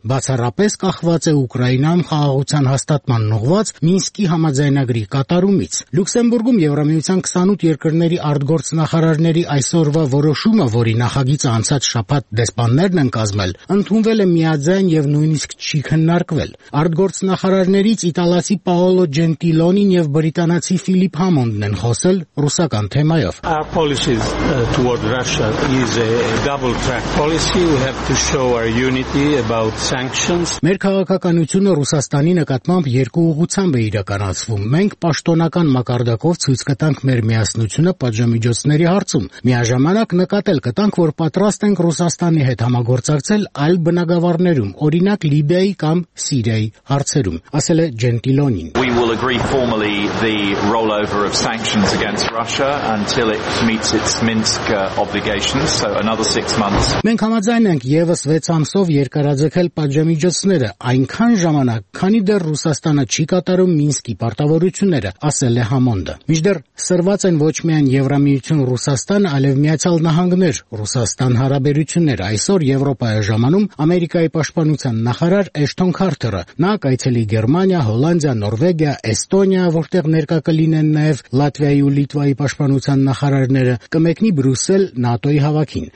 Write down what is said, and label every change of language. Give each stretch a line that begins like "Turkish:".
Armenian: բացառապես ախված է Ուկրաինայում խաղաղության հաստատման ուղված Մինսկի համաձայնագրի կատարումից։ Լյուքսեմբուրգում Եվրամիության 28 երկրների արտգործնախարարների այսօրվա որոշումը, որի նախագիծը անցած շաբաթ դեսպաններն են կազմել, ընդունվել է միաձայն եւ նույնիսկ չի քննարկվել։ Արտգործնախարարներից իտալացի Պաոլո Ջենտիլոնին եւ բրիտանացի Ֆիլիպ Համոնդն են խոսել ռուսական թեմայով։
English: Our policy toward Russia is a double track policy. We have to show our unity about sanctions.
Armenian: Մեր քաղաքականությունը Ռուսաստանի նկատմամբ երկու ուղղությամբ է իրականացվում։ Մենք պաշտոնական մակարդակով ցույց կտանք մեր միասնությունը պատժամիջոցների հարցում։ Միաժամանակ նկատել կտանք, որ պատրաստ ենք Ռուսաստանի հետ համագործակցել այլ բնագավառներում, օրինակ Լիբիայի կամ Սիրիայի հարցերում, ասել է Ջենտիլոնին։
English: We will agree formally the rollover of sanctions against Russia until it meets its Minsk obligations, so another 6 months.
Armenian: Մենք համաձայն ենք եւս 6 ամսով երկարաձգել պատժամիջոցները, այնքան ժամանակ, քանի դեռ Ռուսաստանը չի կատարում Մինսկի պարտավորությունները, ասել է Համոնդը։ Միջդեռ սրված են ոչ միայն Եվրամիություն-Ռուսաստան, այլև Միացյալ Նահանգներ Ռուսաստան հարաբերությունները։ Այսօր Եվրոպայի ժամանում Ամերիկայի պաշտպանության նախարար Էշտոն Քարթերը նա կայցելի Գերմանիա, Հոլանդիա, Նորվեգիա, Էստոնիա, որտեղ ներկա կլինեն նաև Լատվիայի ու Լիտվայի պաշտպանության նախարարները, կմեկնի Բրյուսել ՆԱՏՕ-ի հավաքին։